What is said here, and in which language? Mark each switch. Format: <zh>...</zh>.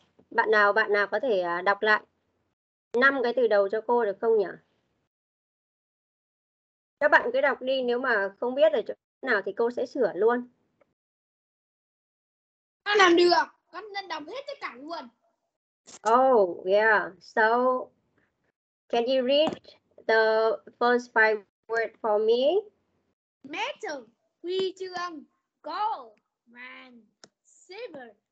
<vi>Bạn nào có thể đọc lại năm cái từ đầu cho cô được không nhỉ? Các bạn cứ đọc đi, nếu mà không biết ở chỗ nào thì cô sẽ sửa luôn. Con làm được, con nên đọc hết tất cả luôn.</vi> <en>Oh, yeah. So, can you read the first five words for me? Metal, huy chương, gold, vàng, silver.</en>